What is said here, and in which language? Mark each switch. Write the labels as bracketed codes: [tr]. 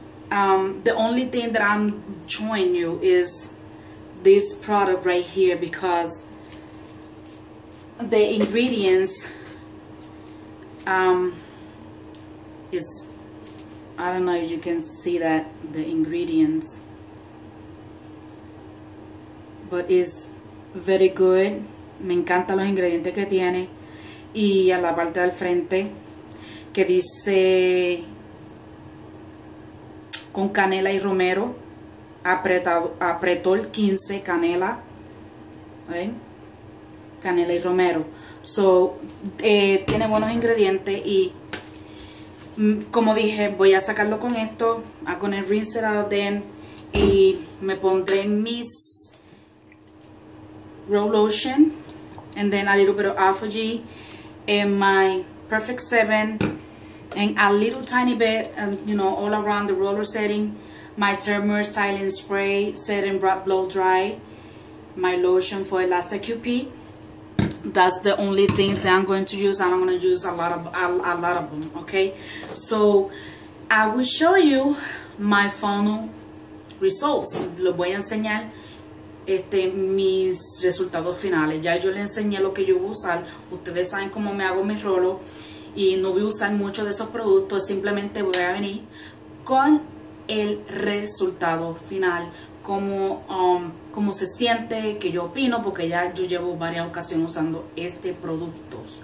[en] The only thing that I'm showing you is this product right here, because the ingredients is, I don't know if you can see that, the ingredients, but it's very good. [es] Me encantan los ingredientes que tiene, y a la parte del frente que dice con canela y romero, apretol 15, canela, ¿ven? Canela y romero. So, tiene buenos ingredientes, y como dije, voy a sacarlo con esto. [en] I'm gonna rinse it out then, [es] y me pondré mis [en] Grow Lotion, and then a little bit of Alpha G, and my Perfect 7, and a little tiny bit, you know, all around the roller setting, my Termer Styling Spray, Setting Wrap Blow Dry, my lotion for Elastic QP, That's the only things that I'm going to use. I'm going to use a lot of them, okay? So I will show you my final results. [es] Lo voy a enseñar mis resultados finales. Ya yo les enseñé lo que yo voy a usar. Ustedes saben cómo me hago mi rolo. Y no voy a usar mucho de esos productos. Simplemente voy a venir con el resultado final. Cómo se siente, qué yo opino, porque ya yo llevo varias ocasiones usando este producto.